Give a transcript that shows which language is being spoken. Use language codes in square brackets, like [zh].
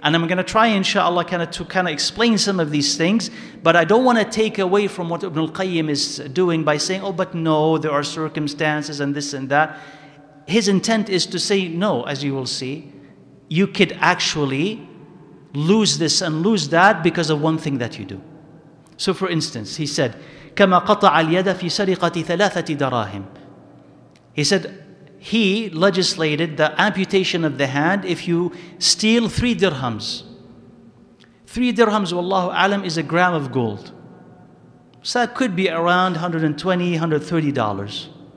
[en] And I'm going to try, inshallah, to explain some of these things, but I don't want to take away from what Ibn al-Qayyim is doing by saying, oh, but no, there are circumstances and this and that. His intent is to say, no, as you will see, you could actually lose this and lose that because of one thing that you do. So for instance, he said, [ar] كَمَا قَطَعَ الْيَدَ فِي سَرِقَةِ ثَلَاثَةِ دَرَاهِمٍ. [en] He said, he legislated the amputation of the hand if you steal 3 dirhams. 3 dirhams, wallahu alam, is a gram of gold. So that could be around $120, $130.